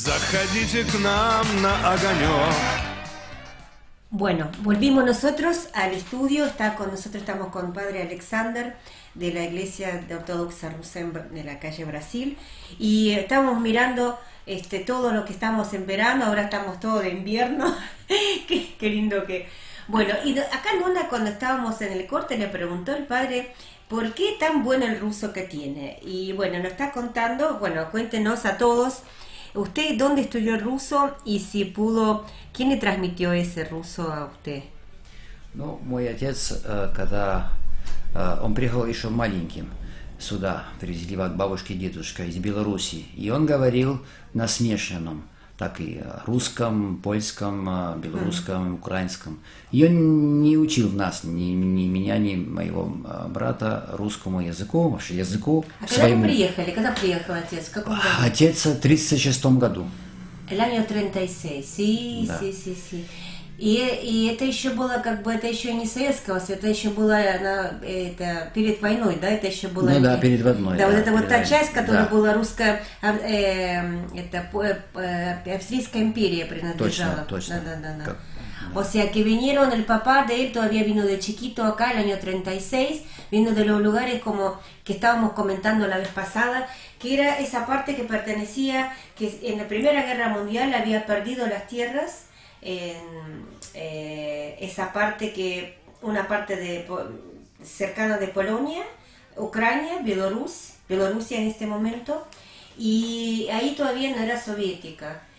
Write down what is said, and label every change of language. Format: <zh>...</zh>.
<ru>Приходите к нам на огонек.</ru> <es>Bueno, volvimos nosotros al estudio. Está con nosotros, estamos con Padre Alexander de la Iglesia de Ortodoxa Rusen de la calle Brasil. Y estamos mirando todo lo que estamos en verano. Ahora estamos todo de invierno. qué lindo que. Bueno, y acá Luna, cuando estábamos en el corte, le preguntó el padre por qué tan bueno el ruso que tiene. Y bueno, nos está contando, bueno, cuéntenos a todos. ¿Usted dónde estudió el ruso y si pudo, quién le transmitió ese ruso a usted?</es> <ru>Ну, мой отец, когда он приехал еще маленьким сюда, привезли его от бабушки и дедушки из Белоруссии, и он говорил на смешанном, так и русском, польском, белорусском, украинском. И он не учил нас, ни меня, ни моего брата русскому языку, вообще языку своему. А когда вы приехали? Когда приехал отец? В каком году? Отец в 36-м году.</ru> <es>El año 36, sí, да. Sí, sí, sí.</es> <ru>И это еще было, как бы, это еще не советского, это еще было, это перед войной, да, это еще было. Ну да, перед войной. Да, да, вот это вот та войной. Часть, которая да. была русская, это Австрийская империя принадлежала. Точно, точно. Да, да, да.</ru> <es>O sea que vinieron, el papá de él todavía vino de chiquito acá, el año 36, vino de los lugares como que estábamos comentando la vez pasada, que era esa parte que pertenecía, que en la Primera Guerra Mundial había perdido las tierras, en esa parte que, una parte de cercana de Polonia, Ucrania, Bielorrusia en este momento, y ahí todavía no era soviética.</es>